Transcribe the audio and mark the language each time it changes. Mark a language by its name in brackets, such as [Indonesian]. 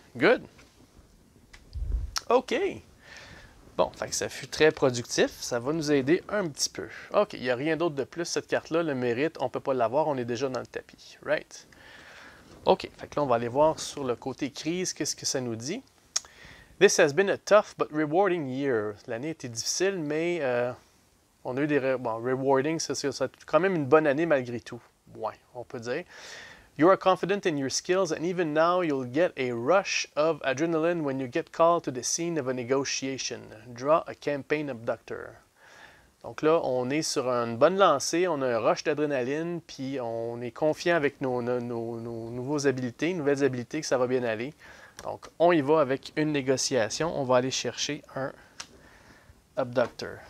[French] Good. OK. Bon, fait que ça fut très productif. Ça va nous aider un petit peu. OK, il n'y a rien d'autre de plus. Cette carte-là, le mérite, on ne peut pas l'avoir. On est déjà dans le tapis. Right. OK, fait que là, on va aller voir sur le côté crise, qu'est-ce que ça nous dit. [English] This has been a tough but rewarding year. [French] L'année était difficile, mais on a eu des... rewarding, c'est quand même une bonne année malgré tout. Ouais, on peut dire. [English] You are confident in your skills, and even now, you'll get a rush of adrenaline when you get called to the scene of a negotiation. Draw a campaign abductor. [French] Donc là, on est sur une bonne lancée, on a un rush d'adrénaline, puis on est confiant avec nouvelles habilités, que ça va bien aller. Donc, on y va avec une négociation. On va aller chercher un abductor.